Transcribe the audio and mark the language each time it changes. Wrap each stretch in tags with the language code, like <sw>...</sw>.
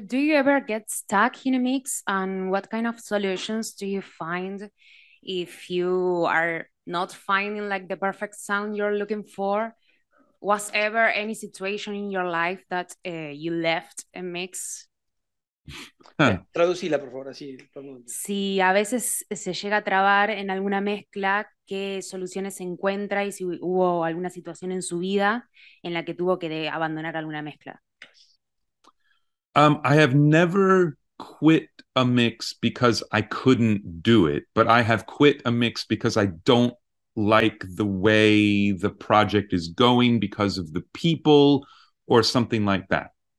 <en>Do you ever get stuck in a mix? And what kind of solutions do you find if you are not finding like the perfect sound you're looking for? Was ever any situation in your life that you left a mix?</en> <es>Traducila, por favor, así. Si a veces se llega a trabar en alguna mezcla, ¿qué soluciones se encuentra y si hubo alguna situación en su vida en la que tuvo que abandonar alguna mezcla?</es> <en>I have never quit a mix because I couldn't do it, but I have quit a mix because I don't like the way the project is going because of the people or something like that.</en>